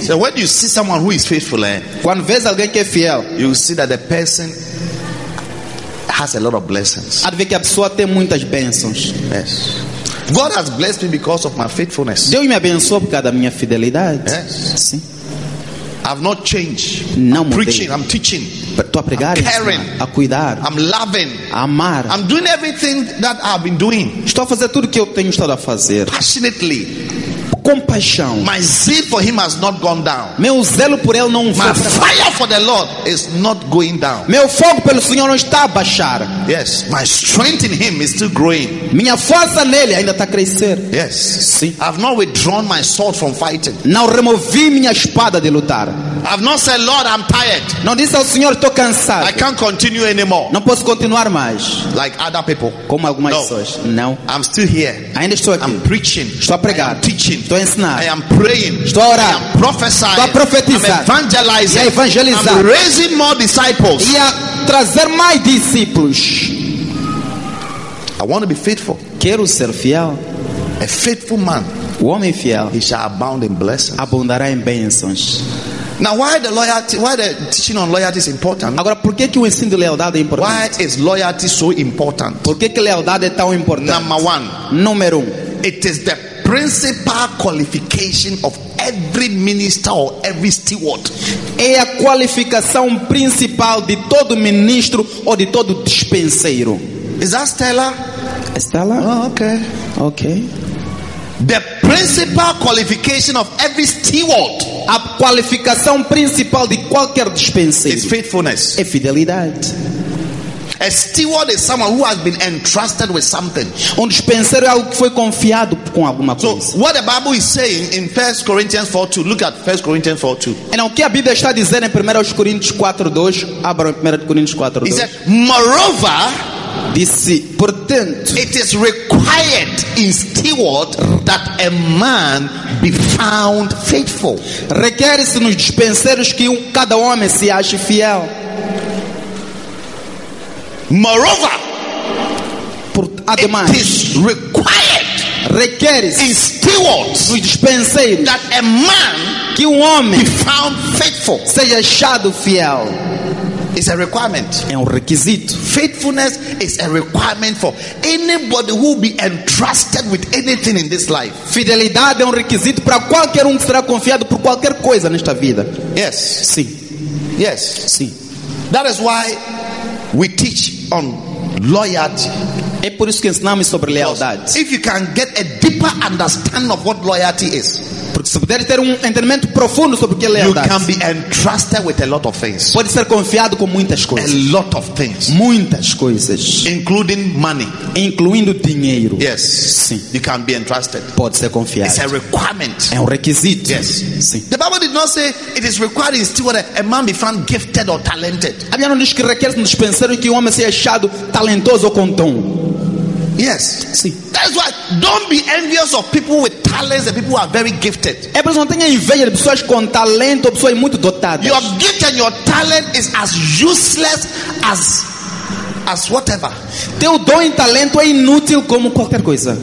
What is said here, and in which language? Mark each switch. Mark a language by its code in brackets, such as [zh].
[en] So when you see someone who is faithful, [pt] quando vês alguém que é fiel, [en] you see that the person has a lot of blessings. [pt] Adivinha que a pessoa tem muitas bênçãos. [en] Yes. God has blessed me because of my faithfulness. [pt] Deus me abençoou por causa da minha fidelidade. [en] Yes. [pt] Sim. [en] I've not changed. [pt] Não mudei. [en] Preaching, I'm teaching. [pt] Estou a pregar. [en] I'm caring. [pt] A cuidar. [en] I'm loving. [pt] A amar. [en] I'm doing everything that I've been doing. [pt] Estou a fazer tudo que eu tenho estado a fazer. [en] Passionately. [pt] Compaixão. [en] My zeal for him has not gone down. [pt] Meu zelo por ele não foi. [en] My fire for the Lord is not going down. [pt] Meu fogo pelo Senhor não está a baixar. [en] Yes, my strength in him is still growing. [pt] Minha força nele ainda está a crescer. [en] Yes. [pt] Sim. [en] I've not withdrawn my sword from fighting. [pt] Não removi minha espada de lutar. [en] I've not said, Lord, I'm tired. [pt] Não disse ao Senhor, estou cansado. [en] I can't continue anymore. [pt] Não posso continuar mais. [en] Like other people. [pt] Como algumas pessoas. Não. [en] I'm still here. [pt] Ainda estou aqui. [en] I'm preaching. [pt] Estou a pregar. [en] I'm teaching. [pt] Estou a ensinar. [en] I am praying. [pt] Estou a orar. [en] I am prophesying. [pt] Estou a profetizar. [en] I'm evangelizing. [pt] E a evangelizar. [en] I'm raising more disciples. [pt] E a trazer mais discípulos. [en] I want to be faithful. [pt] Quero ser fiel. [en] A faithful man. [pt] O homem fiel. [en] He shall abound in blessings. [pt] Abundará em bênçãos. [en] Now, why the teaching on loyalty is important? [pt] Agora, por que o ensino de lealdade é importante? [en] Why is loyalty so important? [pt] Por que lealdade é tão importante? [en] Number one. [pt] Número um. [en] It is the principal qualification of every minister or every steward. [pt] É a qualificação principal de todo ministro ou de todo dispenseiro. [en] Is that Stella? Stella? Oh, okay. Okay. The principal qualification of every steward. [pt] A qualificação principal de qualquer dispenseiro. [en] Is faithfulness. [pt] É fidelidade. [en] A steward is someone who has been entrusted with something. [pt] Um dispenseiro é algo que foi confiado com alguma coisa. [en] So what the Bible is saying in 1 Corinthians 4:2. Look at 1 Corinthians 4:2. [pt] Então o que a Bíblia está dizendo em 1 Coríntios 4:2? Abra 1 Coríntios 4:2. [en] He said, moreover, [pt] disse, portanto, [en] it is required in steward that a man be found faithful. [pt] Requer-se nos dispenseiros que cada homem se ache fiel. [en] Moreover, [pt] ademais, [en] it is required, [pt] requeres [en] in stewards, [pt] nos dispenseiros, [en] that a man [pt] que homem [en] be found faithful, [pt] seja achado fiel. [en] is a requirement. [pt] É requisito. [en] Faithfulness is a requirement for anybody who will be entrusted with anything in this life. [pt] Fidelidade é requisito para qualquer que será confiado por qualquer coisa nesta vida. [en] Yes. [pt] Sim. [en] Yes. [pt] Sim. [en] That is why we teach on loyalty. [pt] É por isso que ensinamos sobre lealdade. [en] If you can get a deeper understanding of what loyalty is, [pt] porque se puder ter entendimento profundo sobre o que é lealdade, [en] you can be entrusted with a lot of things. [pt] Pode ser confiado com muitas coisas. [en] A lot of things. [pt] Muitas coisas. [en] Including money. [pt] Incluindo dinheiro. [en] Yes. [pt] Sim. [en] You can be entrusted. [pt] Pode ser confiado. [en] It's a requirement. [pt] É requisito. [en] Yes. [pt] Sim. [en] The Bible did not say it is required in steward a man be found gifted or talented. [pt] A Bíblia não diz que requer no dispenseiro que um homem seja achado talentoso ou com dom. [en] Yes. See. That's why don't be envious of people with talents and people who are very gifted. [pt] É por isso não tenha inveja de pessoas com talento ou pessoas muito dotadas. [en] Your gift and your talent is as useless as whatever. [pt] Teu dom e talento é inútil como qualquer coisa.